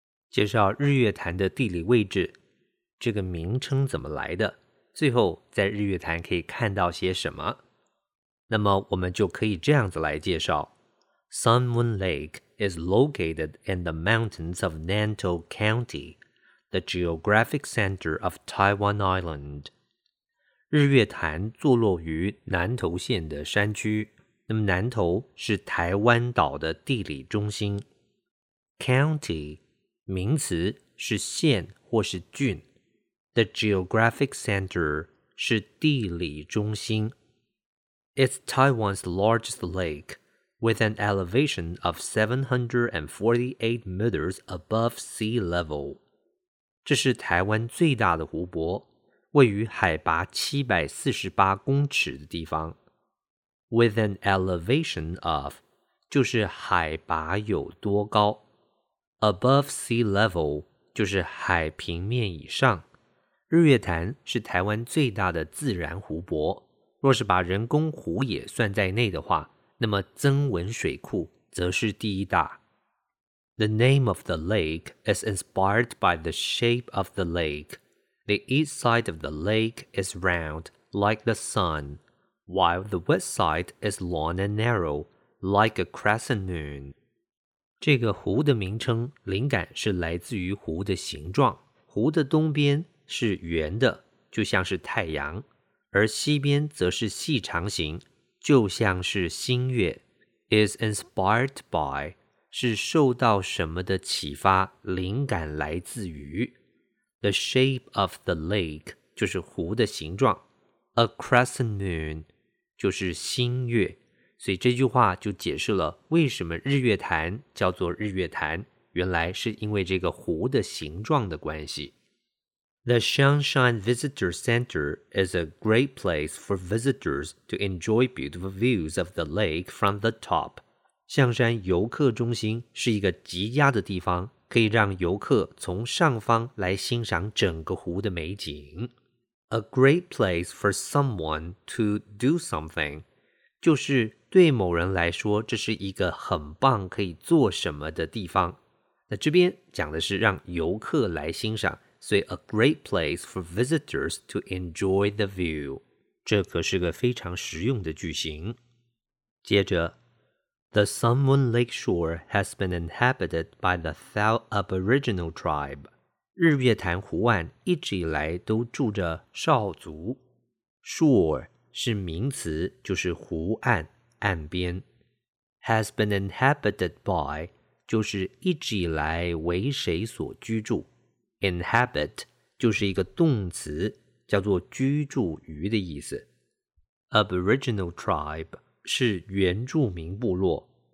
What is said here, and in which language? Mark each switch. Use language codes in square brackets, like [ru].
[zh] 介绍日月潭的地理位置，这个名称怎么来的？最后，在日月潭可以看到些什么？那么，我们就可以这样子来介绍。 [en] Sun Moon Lake is located in the mountains of Nantou County, the geographic center of Taiwan Island. [zh] 日月潭坐落于南投县的山区，那么南投是台湾岛的地理中心。 County, 名词是县或是郡。 [en] The geographic center [zh] 是地理中心。 [en] It's Taiwan's largest lake. With an elevation of 748 meters above sea level. [zh] 这是台湾最大的湖泊，位于海拔748公尺的地方。 [en] With an elevation of, [zh] 就是海拔有多高。 [en] Above sea level, [zh] 就是海平面以上。日月潭是台湾最大的自然湖泊，若是把人工湖也算在内的话，那么曾文水库则是第一大。 [en] The name of the lake is inspired by the shape of the lake. The east side of the lake is round, like the sun, while the west side is long and narrow, like a crescent moon. [zh] 这个湖的名称灵感是来自于湖的形状。湖的东边是圆的，就像是太阳，而西边则是细长形。就像是星月 [en] is inspired by, [zh] 是受到什么的启发，灵感来自于。 [en] The shape of the lake, [zh] 就是湖的形状。 [en] A crescent moon, [zh] 就是星月。所以这句话就解释了为什么日月潭叫做日月潭，原来是因为这个湖的形状的关系。 [en] The Xiangshan Visitor Center is a great place for visitors to enjoy beautiful views of the lake from the top. [zh] 象山游客中心是一个极佳的地方，可以让游客从上方来欣赏整个湖的美景。 [en] A great place for someone to do something. [zh] 就是对某人来说，这是一个很棒可以做什么的地方。那这边讲的是让游客来欣赏。所以 [en] a great place for visitors to enjoy the view. [zh] 这可是个非常实用的句型。接着 [en] The San Juan Lake Shore has been inhabited by the Thao Aboriginal tribe. [zh] 日月潭湖岸一直以来都住着少族。 Shore 是名词，就是湖岸、岸边。 [en] Has been inhabited by... [zh] 就是一直以来为谁所居住 Inhabit 就是一个动词叫做居住于的意思 [en] Aboriginal tribe [zh] 是原住民部落